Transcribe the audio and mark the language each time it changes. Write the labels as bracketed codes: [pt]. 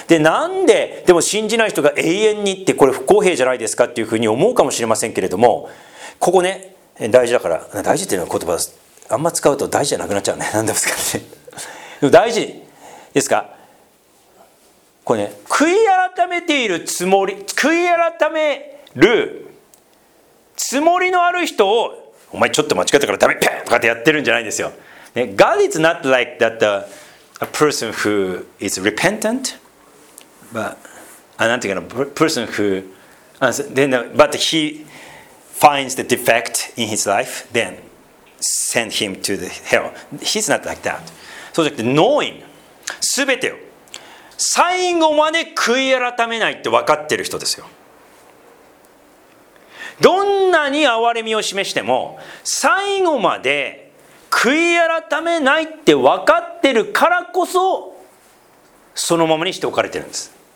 [ja] で、なんででも信じない人が永遠にって、これ不公平じゃないですかっていうふうに思うかもしれませんけれども、ここね、大事だから、大事っていうのは言葉あんま使うと大事じゃなくなっちゃうね、何ですかね。でも大事ですか、これね、悔い改めているつもり、悔い改めるつもりのある人を、お前ちょっと間違ったからダメとかってやってるんじゃないんですよ。 [en] ね、God is not like that a person who is repentant, but he finds the defect in his life, then send him to the hell. He's not like that. [ja] そうじゃなくて、knowing すべてを最後まで悔い改めないって分かってる人ですよ。どんなに憐れみを示しても最後まで悔い改めないって分かってるからこそそのままにしておかれてるんです。